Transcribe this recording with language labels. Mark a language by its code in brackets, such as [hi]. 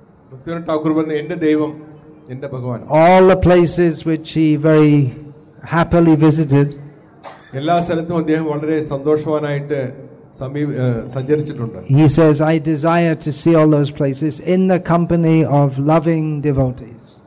[ml] Bhaktivinoda Thakur bane ende devam എന്റെ ഭഗവാൻ [en] all the places which he very happily visited [ml] എല്ലാ സ്ഥലത്തും അദ്ദേഹം വളരെ സന്തോഷവാനായിട്ട് സഞ്ചരിച്ചിട്ടുണ്ട് [en] he says I desire to see all those places in the company of loving devotees